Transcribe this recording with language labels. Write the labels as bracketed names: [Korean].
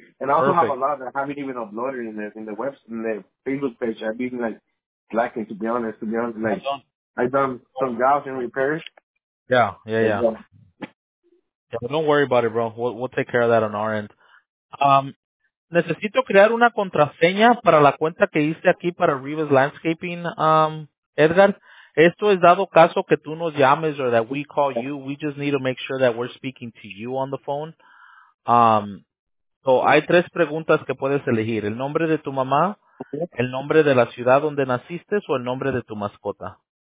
[English] And I also have a lot that I haven't even uploaded in the Facebook page. I've been, like, lacking, to be honest. Like, I've done some jobs and repairs. Yeah. Don't worry about it, bro. We'll take care of that on our end. [Spanish] Necesito crear una contraseña para la cuenta que hice aquí para Rivas Landscaping, Edgar. Esto es dado caso que tú nos llames [English] or that we call you. We just need to make sure that we're speaking to you on the phone. [Spanish] So hay tres preguntas que puedes elegir. El nombre de tu mamá, el nombre de la ciudad donde naciste o el nombre de tu mascota.